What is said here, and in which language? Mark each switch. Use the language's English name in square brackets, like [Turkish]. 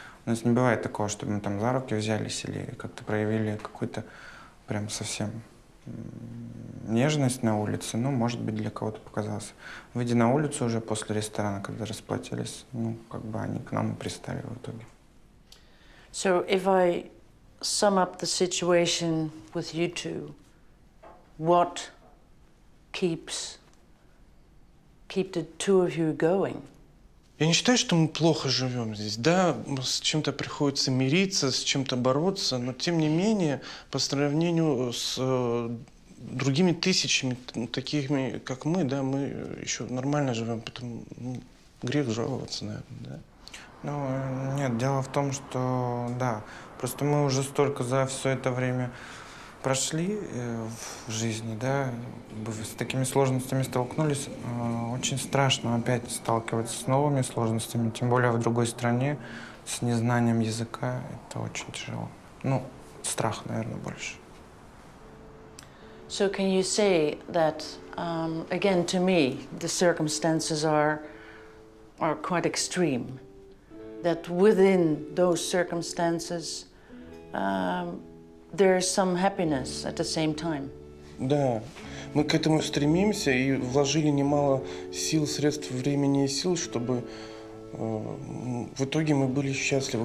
[Russian] У нас не бывает такого, чтобы мы там за руки взялись или как-то проявили какую-то прям совсем нежность на улице. Ну, может быть, для кого-то показалось. Выйдя на улицу уже после ресторана, когда расплатились, ну, как бы они к нам и пристали в итоге. [English] So if I sum up the situation with you two, what keep the two of you going? [Russian] Я не считаю, что мы плохо живем здесь, да, с чем-то приходится мириться, с чем-то бороться, но тем не менее, по сравнению с другими тысячами, такими как мы, да, мы еще нормально живем, поэтому ну, грех жаловаться, наверное, да. Ну, нет, дело в том, что, да, просто мы уже столько за все это время прошли в жизни, да, с такими сложностями столкнулись. Очень страшно опять сталкиваться с новыми сложностями, тем более в другой стране, с незнанием языка. Это очень тяжело. Ну, страх, наверное, больше. [English] So can you say that, again, to me, the circumstances are quite extreme? That within those circumstances, there is some happiness at the same time. [Russian] Да, мы к этому стремимся и вложили немало сил, средств, времени и сил, чтобы в итоге мы были счастливы.